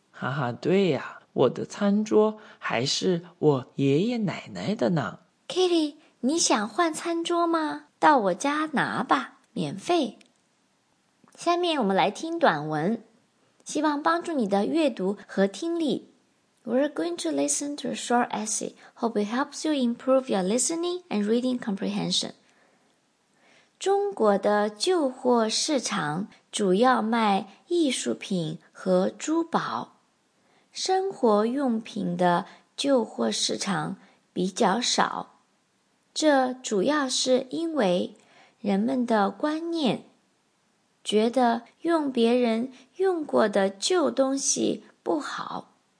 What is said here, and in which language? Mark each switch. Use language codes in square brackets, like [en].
[zh] 哈哈，对呀，我的餐桌还是我爷爷奶奶的呢。 Kitty, 你想换餐桌吗？到我家拿吧，免费。下面我们来听短文。希望帮助你的阅读和听力。 [en] We're going to listen to a short essay. Hope it helps you improve your listening and reading comprehension. [zh] 中国的旧货市场主要卖艺术品和珠宝。生活用品的旧货市场比较少。这主要是因为人们的观念觉得用别人用过的旧东西不好。